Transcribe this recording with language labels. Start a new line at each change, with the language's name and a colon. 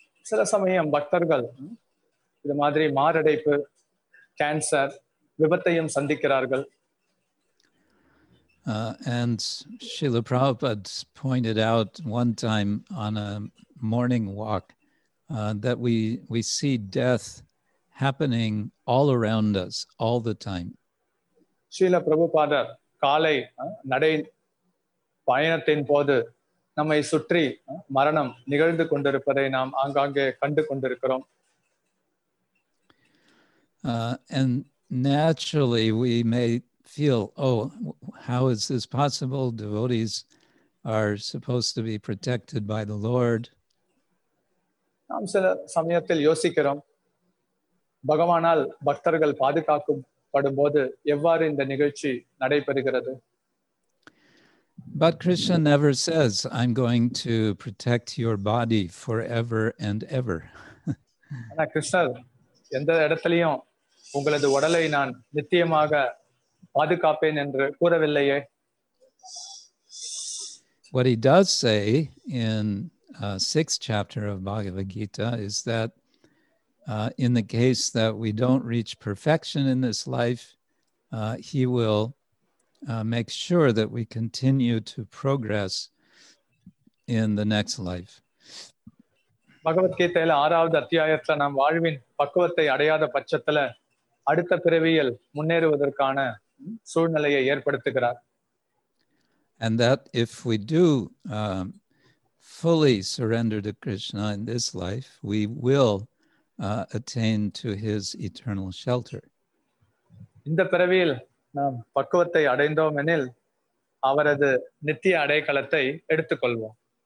Tamil: சில சமயம் பக்தர்கள் இது மாதிரி மாரடைப்பு, கேன்சர், விபத்தையும் சந்திக்கிறார்கள்.
English: And Srila Prabhupada pointed out one time on a morning walk that we see death happening all around us all the time.
Tamil: Srila Prabhupada காலை நடை பயணத்தின் போது நம்மை சுற்றி மரணம் நிகழ்ந்து கொண்டிருப்பதை நாம் ஆங்காங்கே கண்டு கொண்டிருக்கிறோம்.
English: And naturally we may feel, oh, how is this possible? Devotees are supposed to be protected by the Lord.
Tamil: நாம் சில சமயத்தில் யோசிக்கிறோம், பகவானால் பக்தர்கள் பாதுகாக்கப்படும் போது எவ்வாறு இந்த நிகழ்ச்சி நடைபெறுகிறது.
English: But Krishna never says, I'm going to protect your body forever and ever.
Tamil: ஆனா கிருஷ்ணர் எந்த இடத்திலையும் உங்களது உடலை நான் நித்தியமாக பாதுகாப்பேன் என்று கூறவில்லையே.
English: What he does say in the sixth chapter of Bhagavad Gita is that in the case that we don't reach perfection in this life, he will make sure that we continue to progress in the next life.
Tamil: பகவத் கீதையில் ஆறாவது அத்தியாயத்துல நாம் வாழ்வின் பக்குவத்தை அடையாத பட்சத்துல அடுத்த பிறவியில் முன்னேறுவதற்கான சூழ்நிலையை ஏற்படுத்துகிறார்.
English: And that if we do fully surrender to Krishna in this life, we will attain to his eternal shelter.
Tamil: இந்த பிறவியில் நாம் பக்குவத்தை அடைந்தோம் எனில் அவரது நித்திய அடைக்கலத்தை எடுத்துக்கொள்வோம்.